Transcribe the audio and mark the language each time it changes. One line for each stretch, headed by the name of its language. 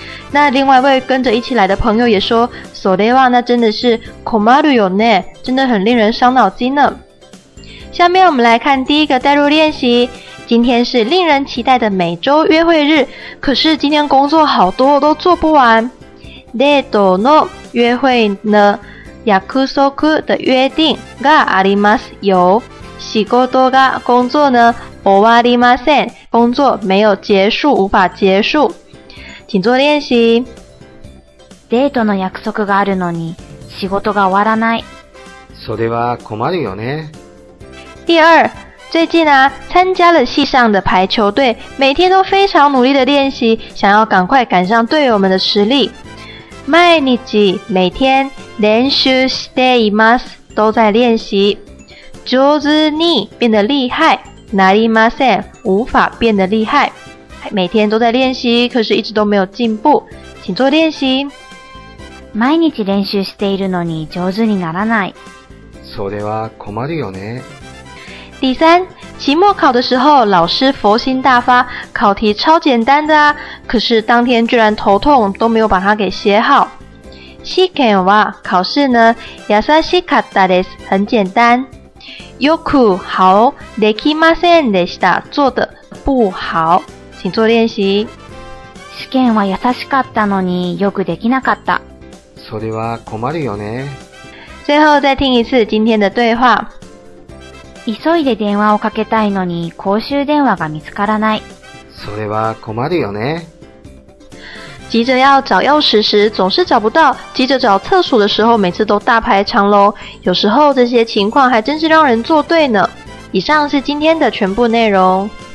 Chinese: 那另外一位跟着一起来的朋友也说，
Japanese: それは
Chinese: 那真的是
Japanese: 困るよね，
Chinese: 真的很令人伤脑筋呢。下面我们来看第一个代入练习。今天是令人期待的每周约会日，可是今天工作好多都做不完。
Japanese: デートの
Chinese: 约会呢，
Japanese: 約束
Chinese: 的约定
Japanese: があります。有仕事が
Chinese: 工作呢，
Japanese: 終わりません。
Chinese: 工作没有结束，无法结束。请做练习。
Japanese: デートの約束があるのに仕事が終わらない。それは困るよね。
Chinese: 第二，最近啊，参加了系上的排球队，每天都非常努力的练习，想要赶快赶上队友们的实力。
Japanese: 毎日
Chinese: 每天
Japanese: 練習しています，
Chinese: 都在练习。
Japanese: 上手に
Chinese: 变得厉害，
Japanese: なりません，
Chinese: 无法变得厉害。每天都在练习，可是一直都没有进步，请做练习。
Japanese: 毎日練習しているのに上手にならない。それは困るよね。
Chinese: 第三，期末考的时候，老师佛心大发，考题超简单的啊，可是当天居然头痛，都没有把它给写好。
Japanese: 試験は
Chinese: 考试呢，
Japanese: 優しかったです，
Chinese: 很简单。
Japanese: よく好できませんでした，
Chinese: 做的不好，请做练习。
Japanese: 試験は優しかったのによくできなかった。それは困るよね。
Chinese: 最后再听一次今天的对话。
Japanese: 急いで電話をかけたいのに公衆電話が見つからない。それは困るよね。
Chinese: 急着要找钥匙时总是找不到，急着找厕所的时候每次都大排长龙，有时候这些情况还真是让人作对呢。以上是今天的全部内容。